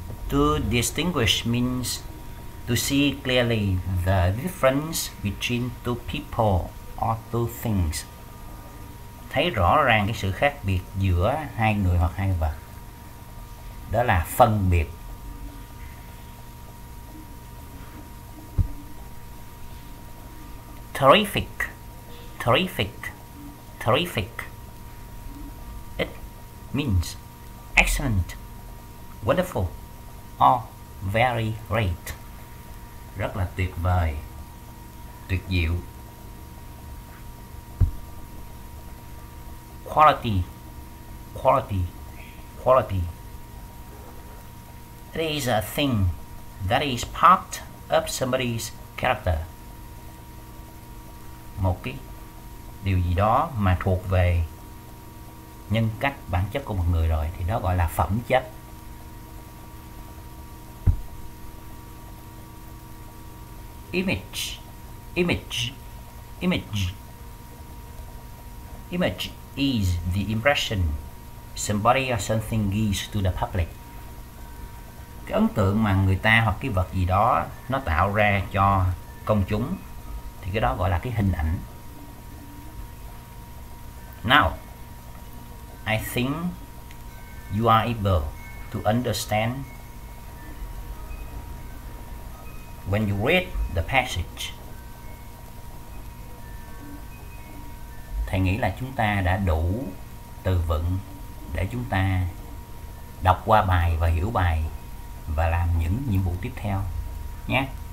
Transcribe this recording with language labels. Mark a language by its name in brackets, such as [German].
[English] To distinguish means to see clearly the difference between two people or two things. [Vietnamese] Thấy rõ ràng cái sự khác biệt giữa hai người hoặc hai vật. Đó là phân biệt. [English] Terrific. It means excellent, wonderful, or very great. [Vietnamese] Rất là tuyệt vời, tuyệt diệu. [English] Quality. It is a thing that is part of somebody's character. [Vietnamese] Một cái điều gì đó mà thuộc về nhân cách, bản chất của một người rồi thì đó gọi là phẩm chất. [English] Image is the impression somebody or something gives to the public. [Vietnamese] Cái ấn tượng mà người ta hoặc cái vật gì đó nó tạo ra cho công chúng thì cái đó gọi là cái hình ảnh. [English] Now, I think you are able to understand when you read the passage. [Vietnamese] Thầy nghĩ là chúng ta đã đủ từ vựng để chúng ta đọc qua bài và hiểu bài và làm những nhiệm vụ tiếp theo nhé.